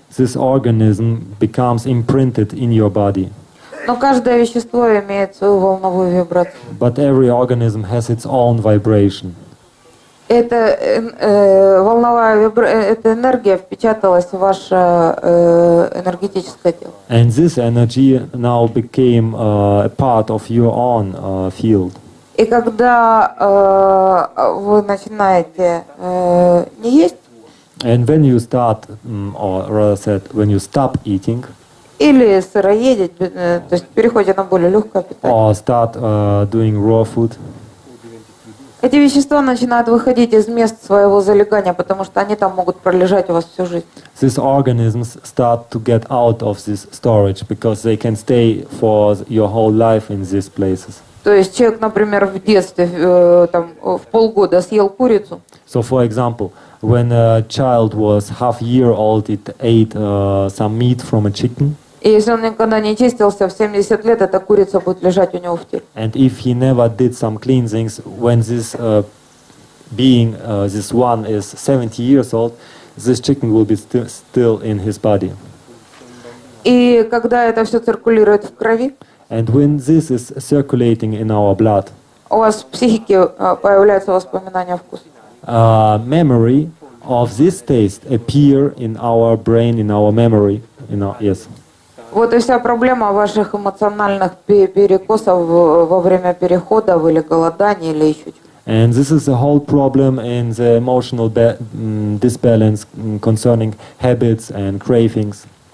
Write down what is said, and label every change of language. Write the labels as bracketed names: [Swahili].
[English] This organism becomes imprinted in your body. [Russian] Но каждое вещество имеет свою волновую вибрацию. [English] But every organism has its own vibration. [Russian] Это волновая эта энергия впечаталась в ваше энергетическое тело. [English] And this energy now became a part of your own field. [Russian] И когда вы начинаете не есть, [English] and when you start, or rather said, when you stop eating, [Russian] или сыроедить, то есть переходя на более легкое питание, [English] or start doing raw food, [Russian] эти вещества начинают выходить из мест своего залегания, потому что они там могут пролежать у вас всю жизнь. [English] These organisms start to get out of this storage because they can stay for your whole life in these places. [Russian] То есть человек, например, в детстве там в полгода съел курицу. [English] So for example, when a child was half year old, it ate some meat from a chicken. [Russian] И если он никогда не чистился, в 70 лет эта курица будет лежать у него в теле. [English] And if he never did some cleansings, when this being this one is 70 years old, this chicken will be still in his body. [Russian] И когда это все циркулирует в крови? [English] And when this is circulating in our blood, [Russian] у вас в психике появляется воспоминание о вкусе. [English] Memory of this taste appear in our brain, in our memory, in our, yes. [Russian] Вот и вся проблема ваших эмоциональных перекосов во время перехода или голодания или еще чего. [English] And this is the whole problem in the emotional disbalance concerning habits and cravings.